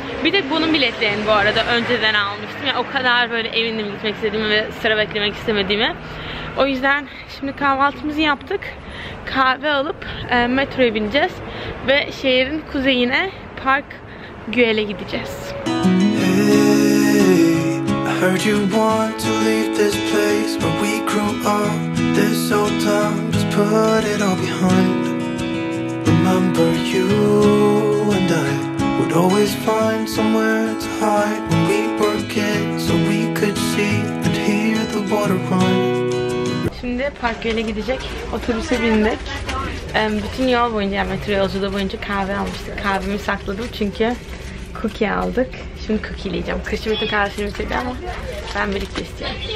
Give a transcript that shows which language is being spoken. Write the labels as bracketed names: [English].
[Turkish] Bir de bunun biletlerini bu arada önceden almıştım. Yani o kadar böyle emindim gitmek istediğimi ve sıra beklemek istemediğimi. O yüzden şimdi kahvaltımızı yaptık. Kahve alıp metroya bineceğiz. Ve şehrin kuzeyine Park Güell'e gideceğiz. [English] Hey, I heard you want to leave this place. But we grew up this old town. Just put it all behind. Remember you and I would always find somewhere to hide. When we were kids so we could see and hear the water run. [Turkish] Şimdi Park Güell'e gidecek. Otobüse bindik. Bütün yol boyunca, yani metro yolculuğu boyunca kahve almıştık. Kahvemi sakladım çünkü cookie aldık. Şimdi cookie yiyeceğim. Kışın bütün kahvesini bitirdi ama ben birlikte isteyeceğim.